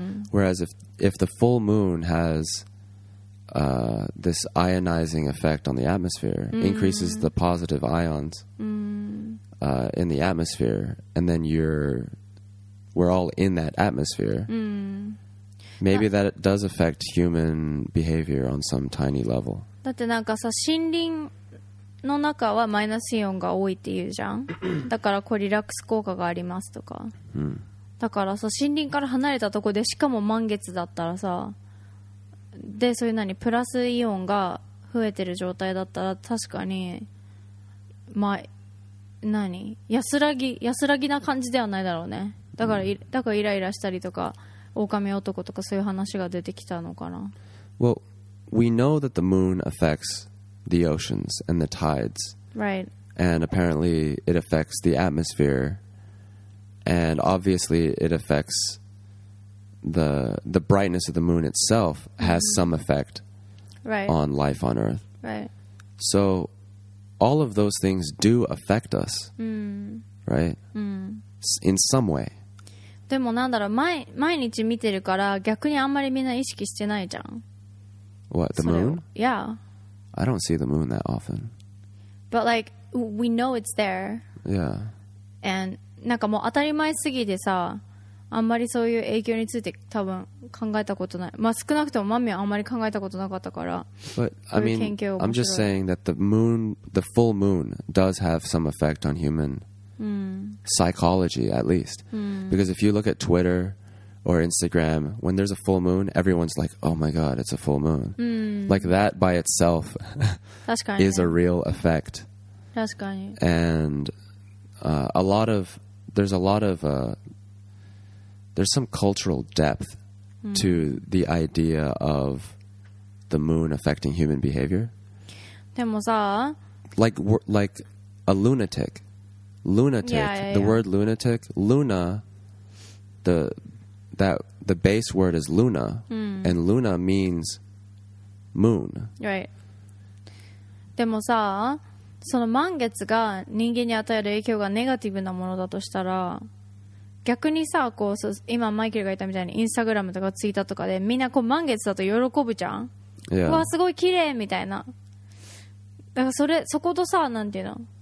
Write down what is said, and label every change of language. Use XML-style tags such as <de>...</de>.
<en>Whereas if the full moon has this ionizing effect on the atmosphere, increases the positive ions in the atmosphere, and then we're all in that atmosphere, maybe that does affect human behavior on some tiny level.</en> <ja>だってなんかさ森林の中はマイナスイオンが多いって言うじゃん。だからこうリラックス効果がありますとか。だからさ森林から離れたとこでしかも満月だったらさでそういう何プラスイオンが増えてる状態だったら確かにまあ何安らぎな感じではないだろうね。だから、mm. だからイライラしたりとか狼男とかそういう話が出てきたのかな。</ja> <en>Well, we know that the moon affects the oceans and the tides. Right. And apparently it affects the atmosphere. And obviously it affects the brightness of the moon itself has some effect right. on life on Earth. Right. So all of those things do affect us. Mm. Right? Mm. In some way.</en> <ja>でもなんだろう 毎日見てるから逆にあんまりみんな意識してないじゃん。</ja> <en>What, the moon? Yeah. I don't see the moon that often. But like, we know it's there. Yeah.</en> <ja>And なんかもう当たり前すぎてさ、あんまりそういう影響について多分考えたことない。まあ少なくともマミはあんまり考えたことなかったから。</ja> <en>But I mean, I'm just saying that the full moon does have some effect on human. Psychology, at least. Because if you look at Twitter or Instagram, when there's a full moon, everyone's like, oh my god, it's a full moon. Like that by itself is a real effect. And there's some cultural depth to the idea of the moon affecting human behavior. Like a lunatic. Lunatic, yeah, yeah, the yeah. word lunatic, luna, the base word is luna, and luna means moon. Right.</en> <ja>でもさ、その満月が人間に与える影響がネガティブなものだとしたら、逆にさ、こう、今マイケルが言ったみたいにインスタグラムとかツイッターとかでみんなこう満月だと喜ぶじゃん。</ja> <en>Yeah.</en> <ja>うわ、すごい綺麗みたいな。だからそことさ、なんていうの?</ja>